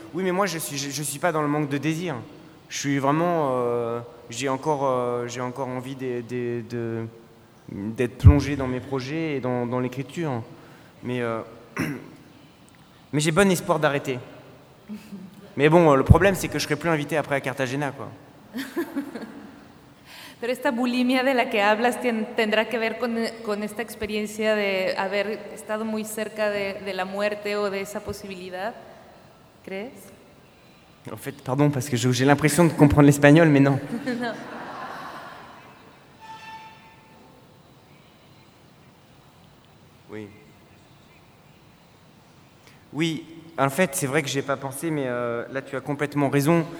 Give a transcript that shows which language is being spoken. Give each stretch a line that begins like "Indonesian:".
French: Oui, mais moi, je suis pas dans le manque de désir. Je suis vraiment, j'ai encore envie d'être plongé dans mes projets et dans l'écriture, mais j'ai bon espoir d'arrêter. Mais bon, le problème c'est que je serai plus invité après à Cartagena, quoi.
Spanish: Pero esta bulimia de la que hablas tendrá que ver con esta experiencia de haber estado muy cerca de la muerte o de esa posibilidad, ¿crees?
French: En fait, pardon, parce que j'ai l'impression de comprendre l'espagnol, mais non. Oui. Oui, en fait, c'est vrai que je n'ai pas pensé, mais là, tu as complètement raison.